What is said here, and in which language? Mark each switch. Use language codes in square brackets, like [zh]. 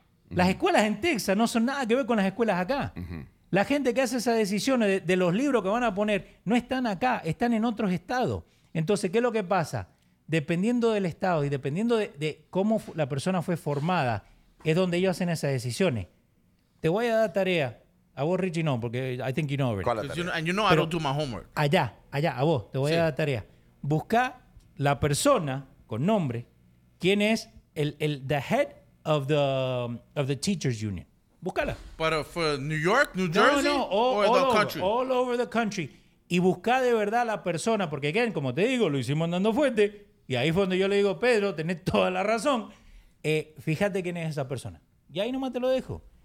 [es] Las escuelas en Texas no son nada que ver con las escuelas acá. Uh-huh. La gente que hace esas decisiones de los libros que van a poner no están acá, están en otros estados. Entonces, ¿qué es lo que pasa? Dependiendo del estado y dependiendo de cómo la persona fue formada, es donde ellos hacen esas decisiones. Te voy a dar tarea. A vos, Richie, no, porque [en] I think you know it. [es] ¿Cuál es? [en] And you know, [es] pero [en] I don't do my homework. [es] Allá, a vos, te voy sí. a dar tarea. Busca la persona con nombre, quién es el [en] the head of the teachers union. [es] Búscala. [en] Pero for New York, New Jersey, All over the country. [es] Y busca de verdad la persona, porque again, como te digo, lo hicimos andando fuerte, y ahí fue donde yo le digo, Pedro, tenés toda la razón, fíjate quién es esa persona. Y ahí nomás te lo dejo.